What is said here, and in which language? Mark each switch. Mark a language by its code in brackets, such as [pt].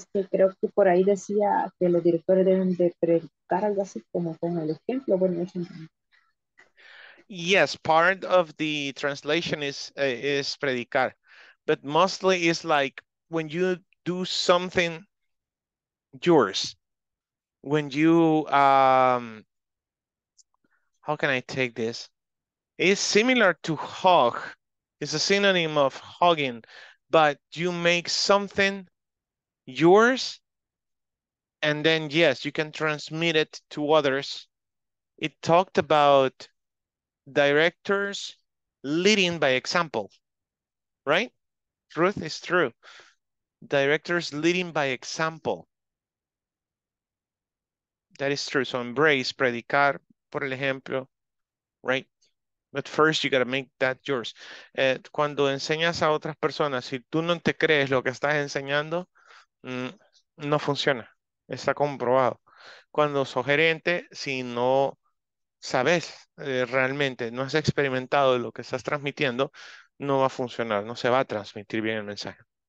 [es] Creo que por ahí decía que los directores deben de predicar algo así como con el ejemplo. Bueno, eso entiendo. [en] Yes, part of the translation is predicar, but mostly it's like when you do something yours, when you how can I take this? It's similar to hug. It's a synonym of hugging, but you make something yours, and then yes, you can transmit it to others. It talked about directors leading by example, right? Truth is true. Directors leading by example. That is true. So embrace, [es] predicar, por el ejemplo, [en] right? But first, you got to make that yours. [es] Cuando enseñas a otras personas, si tú no te crees lo que estás enseñando, no funciona. Está comprobado. Cuando sos gerente, si no sabes realmente, no has experimentado lo que estás transmitiendo, no va a funcionar, no se va a transmitir bien el mensaje.